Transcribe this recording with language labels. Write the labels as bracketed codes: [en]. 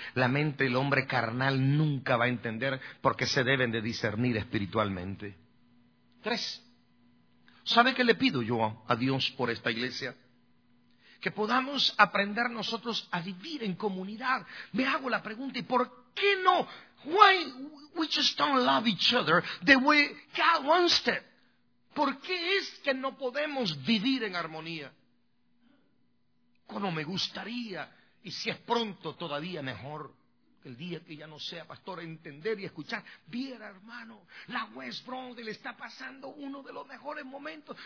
[es] La mente del hombre carnal nunca va a entender, porque se deben de discernir espiritualmente. Tres. ¿Sabe qué le pido yo a Dios por esta iglesia? Que podamos aprender nosotros a vivir en comunidad. Me hago la pregunta, ¿y por qué no? [en] Why we just don't love each other the way God wants it? [es] ¿Por qué es que no podemos vivir en armonía? Cómo me gustaría, y si es pronto todavía mejor, el día que ya no sea pastor, entender y escuchar. Viera, hermano, la West Bronx le está pasando uno de los mejores momentos.